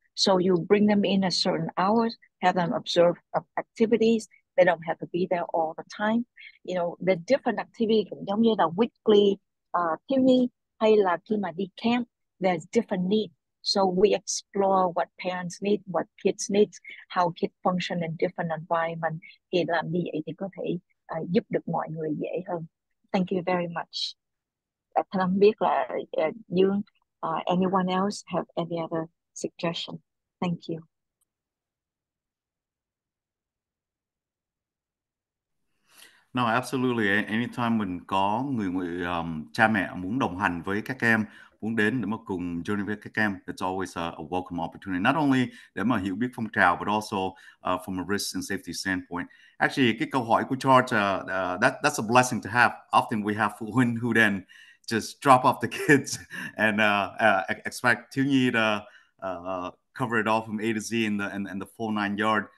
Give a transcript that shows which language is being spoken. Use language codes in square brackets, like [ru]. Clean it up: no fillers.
[en] So you bring them in a certain hours, have them observe activities. They don't have to be there all the time. You know, the different activity, [vi] giống như [en] the weekly activity [vi] hay là khi mà đi [en] camp, there's different needs. So we explore what parents need, what kids need, how kids function in different environment. [vi] Thì làm như vậy thì có thể giúp được mọi người dễ hơn. [en] Thank you very much. Thân [vi] không biết là [en] Dương, anyone else have any other suggestion? Thank you. No, absolutely. [vi] Anytime mình có người cha mẹ muốn đồng hành với các em, muốn đến để mà cùng journey với các em, [en] it's always a welcome opportunity. Not only [vi] để mà hiểu biết phong trào, [en] but also from a risk and safety standpoint. Actually, [vi] cái câu hỏi của [en] George, that's a blessing to have. Often we have phụ huynh who then just drop off the kids and expect thiếu nhi to cover it all from A to Z in the full nine yard.